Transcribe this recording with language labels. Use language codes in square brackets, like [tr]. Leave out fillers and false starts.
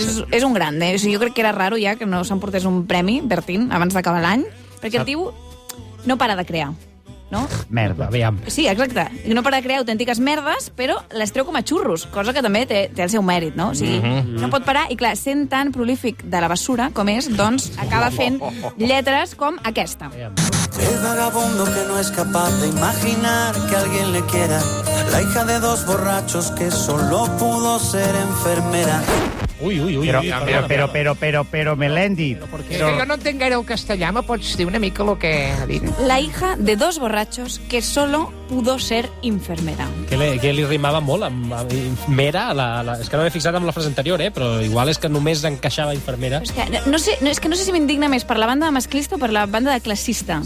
[ca] És un gran, eh? O sigui, jo crec que era raro ja que no s'emportés un premi, Bertín, abans d'acabar l'any, perquè el tio no para de crear, no? Merda, aviam. Sí, exacte. No para de crear autèntiques merdes, però les treu com a xurros, cosa que també té el seu mèrit, no? O sigui, no pot parar, i clar, sent tan prolífic de la bessura com és, doncs acaba fent lletres com aquesta. Aviam. [es] El vagabundo que no es capaz de imaginar que alguien le quiera. La hija de dos borrachos que solo pudo ser enfermera. [ca] Ui. [es] Pero, Melendi. Pero... Si yo no tengo [ca] el castellà, me pots dir una mica lo que ha dit. [es] La hija de dos borrachos que solo pudo ser enfermera. [ca] Que li rimava molt amb mera. És que no m'he fixat amb la frase anterior, però igual és que només encaixava infermera. No sé si m'indigna més per la banda de masclista o per la banda de classista.